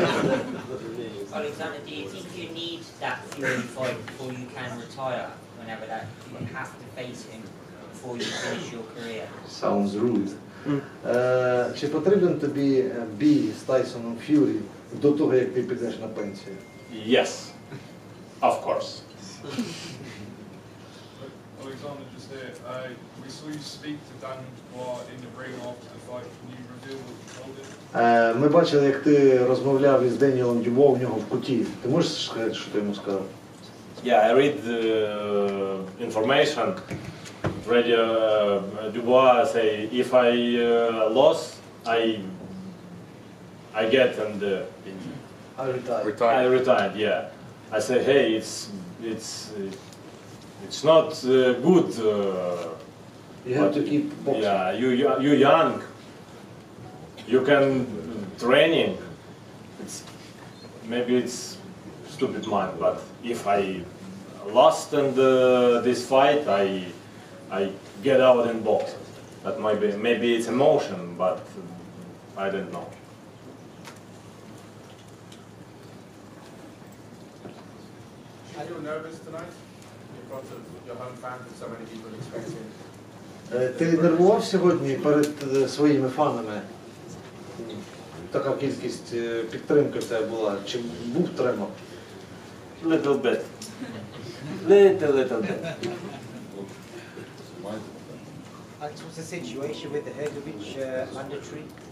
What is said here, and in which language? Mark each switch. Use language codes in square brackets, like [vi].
[en] Alexander, do you think you need that Fury fight before you can retire? Whenever that you have to face him before you finish your career. Sounds rude. [uk] Чи потрібен тобі бій з Тайсоном Ф'юрі до того, як ти підеш на пенсію? [en] Yes, of course. Alexander, just there. We saw you speak to Dan Dubois in the ring after the fight. Can you reveal what you told him? [uk] Ми бачили, як ти розмовляв із Деніелом Дюбо в нього в куті. Ти можеш сказати, що ти йому сказав? [en] Yeah, I read the information. Radio Dubois say, if I lost, I get and I retired. I retired. Yeah, I say, hey, it's not good. You have to keep boxing. Yeah, you young. You can training. It's maybe it's stupid mind, but if I lost and this fight, I get out and box. That might be, maybe it's emotion, but I don't know. Are you nervous tonight? In front of your home fans and so many people expecting. [uk] Ти нервував сьогодні перед своїми фанами? Така кількість підтримки в тебе була. Чи був тремор? [en] Little bit. Little bit. What was the situation with the Hergovich under tree?